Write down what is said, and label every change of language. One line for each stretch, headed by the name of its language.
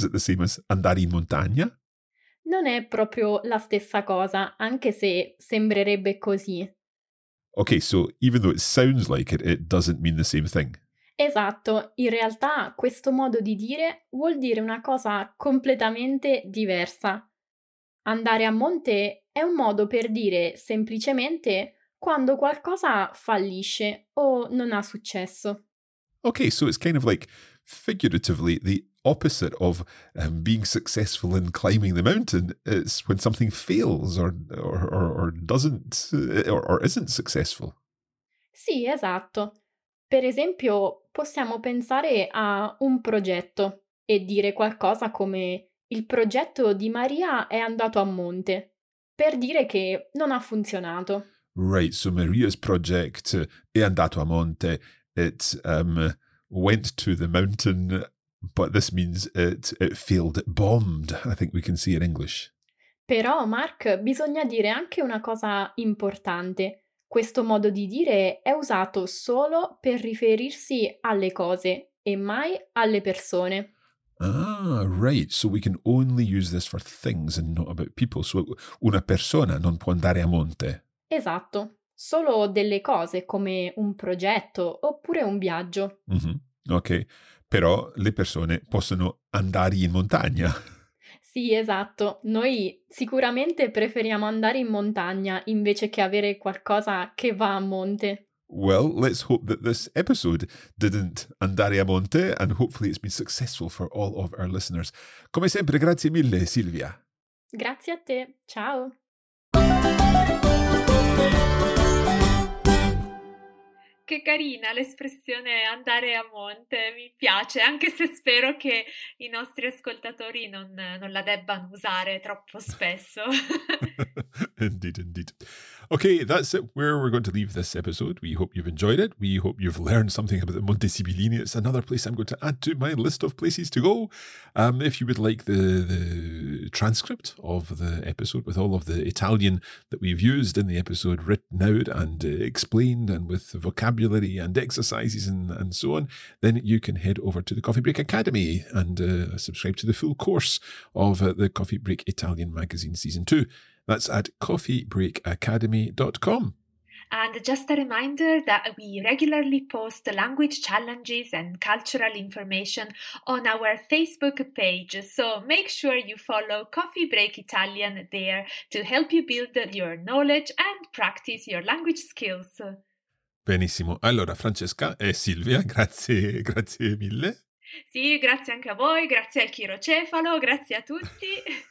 English: Is it the same as
Italian: andare in montagna? Non è proprio la stessa cosa, anche se sembrerebbe così.
English: Ok, so even though it sounds like it, it doesn't mean the same thing.
Italian: Esatto, in realtà questo modo di dire vuol dire una cosa completamente diversa. Andare a monte è un modo per dire semplicemente quando qualcosa fallisce o non ha successo.
English: Okay, so it's kind of like, figuratively, the opposite of being successful in climbing the mountain. It's when something fails or doesn't or isn't successful.
Italian: Sì, esatto. Per esempio, possiamo pensare a un progetto e dire qualcosa come il progetto di Maria è andato a monte, per dire che non ha funzionato.
English: Right, so Maria's project
Italian: è andato a monte.
English: It went to the mountain, but this means it failed, it bombed, I think we can see in English.
Italian: Però, Mark, bisogna dire anche una cosa importante. Questo modo di dire è usato solo per riferirsi alle cose e mai alle persone.
English: Ah, right. So we can only use this for things and not about people.
Italian: So una persona non può andare a monte. Esatto. Solo delle cose come un progetto oppure un viaggio. Mm-hmm. Ok. Però le persone possono andare in montagna. Sì, esatto. Noi sicuramente preferiamo andare in montagna invece che avere qualcosa che va a monte.
English: Well, let's hope that this episode didn't
Italian: andare a monte
English: and hopefully it's been successful for all of our listeners.
Italian: Come sempre, grazie mille, Silvia. Grazie a te. Ciao. Che carina l'espressione andare a monte, mi piace, anche se spero che i nostri ascoltatori non la debbano usare troppo spesso.
English: Indeed, indeed. Okay, that's it where we're going to leave this episode. We hope you've enjoyed it. We hope you've learned something about the Monte Sibillini. It's another place I'm going to add to my list of places to go. If you would like the transcript of the episode with all of the Italian that we've used in the episode written out and explained and with vocabulary and exercises and so on, then you can head over to the Coffee Break Academy and subscribe to the full course of the Coffee Break Italian magazine season 2. That's at coffeebreakacademy.com. And just a reminder that we regularly post language challenges and cultural information on our Facebook page. So make sure you follow Coffee Break Italian there to help you build your knowledge and practice your language skills.
Italian: Benissimo. Allora, Francesca e Silvia, grazie, grazie mille. Sì, grazie anche a voi, grazie al Chirocefalo, grazie a tutti.